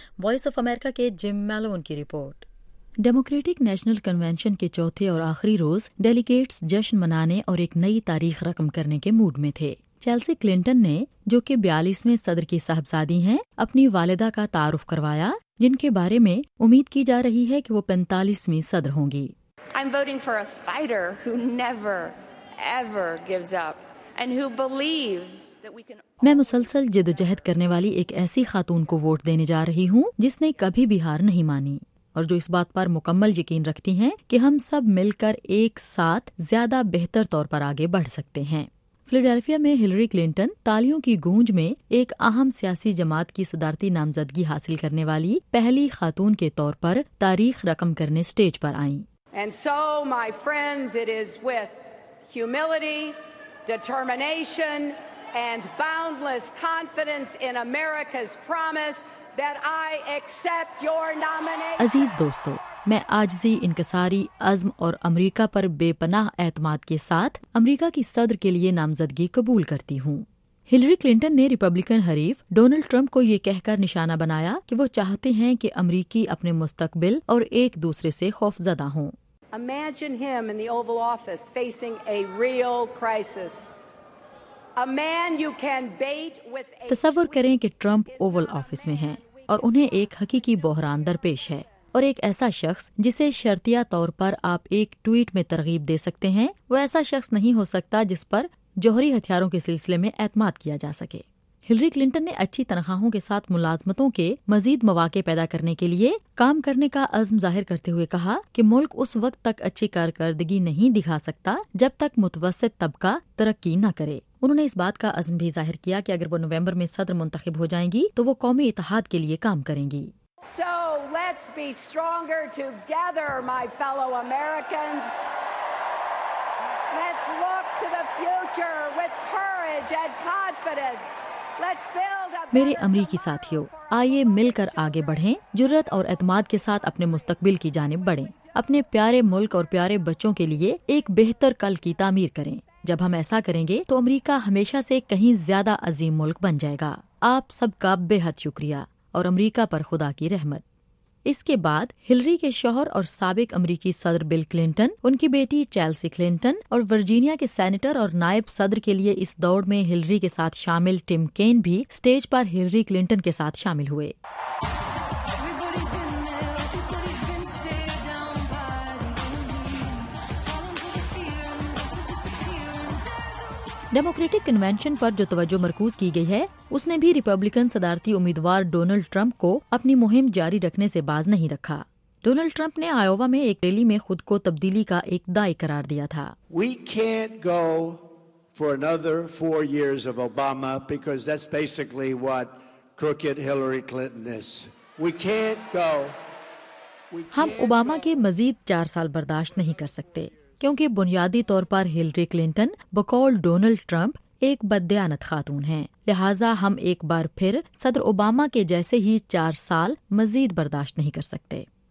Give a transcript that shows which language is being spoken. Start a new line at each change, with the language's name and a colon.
Urdu: Voice of America کے جم میلون کی report. Democratic national convention کے چوتھے اور آخری روز ڈیلیگیٹس جشن منانے اور ایک نئی تاریخ رقم کرنے کے موڈ میں تھے. چیلسی کلنٹن نے جو کہ 42 صدر کی صاحبزادی ہیں اپنی والدہ کا تعارف کروایا جن کے بارے میں امید کی جا رہی ہے کہ وہ 45 صدر ہوں گی.
English: I'm voting for a fighter who never ever gives up and who believes that we can.
Urdu: میں مسلسل جدوجہد کرنے والی ایک ایسی خاتون کو ووٹ دینے جا رہی ہوں جس نے کبھی بھی ہار نہیں مانی اور جو اس بات پر مکمل یقین رکھتی ہیں کہ ہم سب مل کر ایک ساتھ زیادہ بہتر طور پر آگے بڑھ سکتے ہیں. فلاڈیلفیا میں ہلری کلنٹن تالیوں کی گونج میں ایک اہم سیاسی جماعت کی صدارتی نامزدگی حاصل کرنے والی پہلی خاتون کے طور پر تاریخ رقم کرنے سٹیج پر آئیں.
English: And so my friends, it is with humility, determination and boundless confidence in America's promise that I accept your nomination.
Urdu: عزیز دوستو، میں عاجزی، انکساری، عزم اور امریکہ پر بے پناہ اعتماد کے ساتھ امریکہ کی صدر کے لیے نامزدگی قبول کرتی ہوں. ہلری کلنٹن نے ریپبلکن حریف ڈونلڈ ٹرمپ کو یہ کہہ کر نشانہ بنایا کہ وہ چاہتے ہیں کہ امریکی اپنے مستقبل اور ایک دوسرے سے خوف زدہ ہوں.
English: Imagine him in the Oval Office facing a real crisis. A man you can bait with a...
Urdu: تصور کریں کہ ٹرمپ اوول آفس میں ہیں اور انہیں ایک حقیقی بحران درپیش ہے اور ایک ایسا شخص جسے شرطیہ طور پر آپ ایک ٹویٹ میں ترغیب دے سکتے ہیں وہ ایسا شخص نہیں ہو سکتا جس پر جوہری ہتھیاروں کے سلسلے میں اعتماد کیا جا سکے. ہلری کلنٹن نے اچھی تنخواہوں کے ساتھ ملازمتوں کے مزید مواقع پیدا کرنے کے لیے کام کرنے کا عزم ظاہر کرتے ہوئے کہا کہ ملک اس وقت تک اچھی کارکردگی نہیں دکھا سکتا جب تک متوسط طبقہ ترقی نہ کرے. انہوں نے اس بات کا عزم بھی ظاہر کیا کہ اگر وہ نومبر میں صدر منتخب ہو جائیں گی تو وہ قومی اتحاد کے لیے کام کریں گی.
English: So let's be stronger together, my fellow Americans. Let's look to the future with courage and confidence. Let's build a...
Urdu: میرے امریکی ساتھیوں، آئیے مل کر آگے بڑھیں، جرات اور اعتماد کے ساتھ اپنے مستقبل کی جانب بڑھیں، اپنے پیارے ملک اور پیارے بچوں کے لیے ایک بہتر کل کی تعمیر کریں. جب ہم ایسا کریں گے تو امریکہ ہمیشہ سے کہیں زیادہ عظیم ملک بن جائے گا. آپ سب کا بے حد شکریہ اور امریکہ پر خدا کی رحمت. اس کے بعد ہلری کے شوہر اور سابق امریکی صدر بل کلنٹن، ان کی بیٹی چیلسی کلنٹن اور ورجینیا کے سینیٹر اور نائب صدر کے لیے اس دوڑ میں ہلری کے ساتھ شامل ٹم کین بھی سٹیج پر ہلری کلنٹن کے ساتھ شامل ہوئے. ڈیموکریٹک کنونشن پر جو توجہ مرکوز کی گئی ہے اس نے بھی ریپبلکن صدارتی امیدوار ڈونلڈ ٹرمپ کو اپنی مہم جاری رکھنے سے باز نہیں رکھا. ڈونلڈ ٹرمپ نے آیووا میں ایک ریلی میں خود کو تبدیلی کا ایک دائی قرار دیا تھا.
English: We can't go for another four years of Obama because that's basically what crooked Hillary Clinton is. We can't go.
Urdu: ہم اوباما کے مزید چار سال برداشت نہیں کر سکتے کیونکہ بنیادی طور پر ہلری کلنٹن بقول ڈونلڈ ٹرمپ ایک بددیانت خاتون ہیں، لہٰذا ہم ایک بار پھر صدر اوباما کے جیسے ہی چار سال مزید برداشت نہیں کر سکتے.